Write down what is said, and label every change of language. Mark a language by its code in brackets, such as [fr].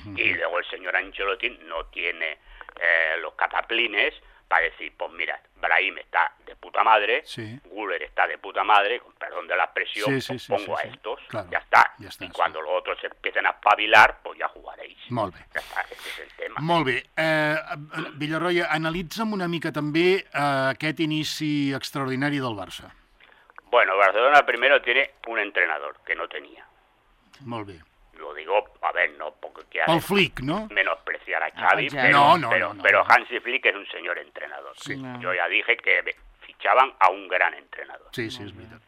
[es] Y luego el señor Ancelotti no tiene los cataplines para decir, pues mira, Brahim está de puta madre, sí. Güler está de puta madre, con perdón de la expresión, sí, pues sí, pongo sí, a sí. Estos, claro, ya está. Ya está, y cuando los otros se empiecen a espabilar, pues ya jugaréis. [ca] Molt bé. Ja està, aquest és el tema. Molt bé. Villarroya, analitza'm una mica també aquest inici extraordinari del Barça. [es] Bueno, Barcelona primero tiene un entrenador que no tenía. [ca] Molt bé. [es] Lo digo, a ver, no, porque que el Flick, ¿no? Menospreciar a Xavi, ah, pero, no, no, pero, no, no, pero Hansi Flick es un señor entrenador. Sí. Yo ya dije que fichaban a un gran entrenador. Sí, sí, es verdad.